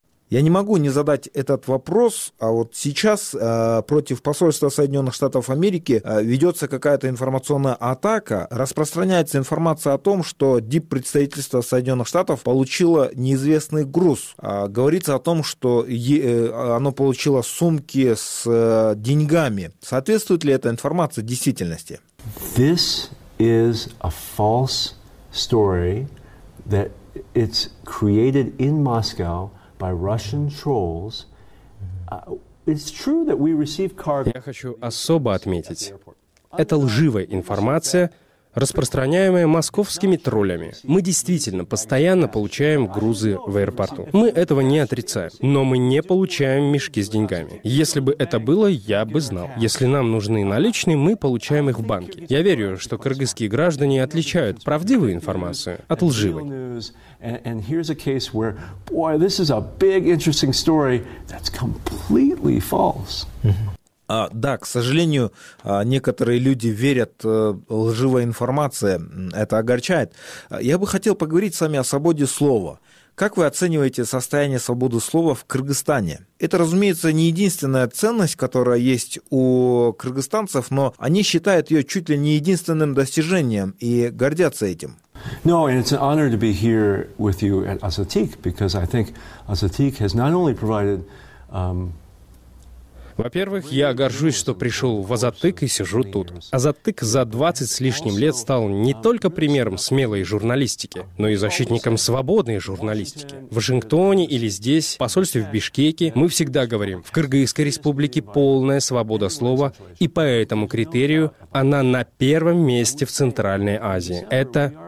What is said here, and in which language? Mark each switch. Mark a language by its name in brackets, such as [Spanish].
[Russian] Я не могу не задать этот вопрос, а вот сейчас против посольства Соединенных Штатов Америки ведется какая-то информационная атака. Распространяется информация о том, что диппредставительство Соединенных Штатов получило неизвестный груз. Говорится о том, что оно получило сумки с деньгами. Соответствует ли эта информация действительности? [English] This is a false story that it's created in Moscow. by Russian trolls. It's true that we received cargo. [Russian] Я хочу особо отметить, это лживая информация, распространяемая московскими троллями. Мы действительно постоянно получаем грузы в аэропорту. Мы этого не отрицаем, но мы не получаем мешки с деньгами. Если бы это было, я бы знал. Если нам нужны наличные, мы получаем их в банке. Я верю, что кыргызские граждане отличают правдивую информацию от лживой. Да, к сожалению, некоторые люди верят лживой информации, это огорчает. Я бы хотел поговорить с вами о свободе слова. Как вы оцениваете состояние свободы слова в Кыргызстане? Это, разумеется, не единственная ценность, которая есть у кыргызстанцев, но они считают ее чуть ли не единственным достижением и гордятся этим. [English] No, and it's an honor to be here with you at Azatik, because I think Azatik has not only provided... [Russian] Во-первых, я горжусь, что пришел в Азатык и сижу тут. Азатык за 20 с лишним лет стал не только примером смелой журналистики, но и защитником свободной журналистики. В Вашингтоне или здесь, в посольстве в Бишкеке, мы всегда говорим, в Кыргызской республике полная свобода слова, и по этому критерию она на первом месте в Центральной Азии. Это...